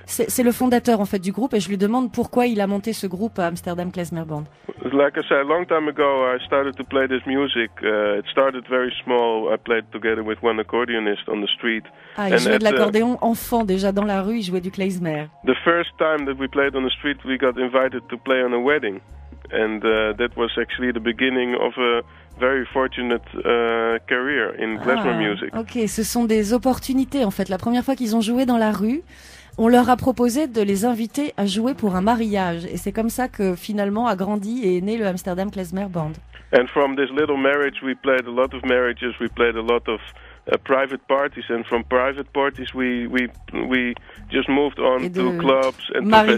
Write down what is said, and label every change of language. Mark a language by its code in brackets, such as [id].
[fr] C'est le fondateur en fait du groupe, et je lui demande pourquoi il a monté ce groupe Amsterdam Klezmer Band. [en] Like I said, long time ago, I started to play this music. It started very small. I played together with one accordionist on the street. [fr] Ah, il jouait de l'accordéon enfant déjà dans la rue. Il jouait du klezmer. [en] The first time that we played on the street, we got invited to play on a wedding, and that was actually the beginning of a very fortunate career in klezmer music. [fr] Okay, ce sont des opportunités en fait. La première fois qu'ils ont joué dans la rue, on leur a proposé de les inviter à jouer pour un mariage, et c'est comme ça que finalement a grandi et est né le Amsterdam Klezmer Band. [en] And from this little marriage, we played a lot of marriages, we played a lot of private parties, and from private parties, we just moved on to clubs and festivals.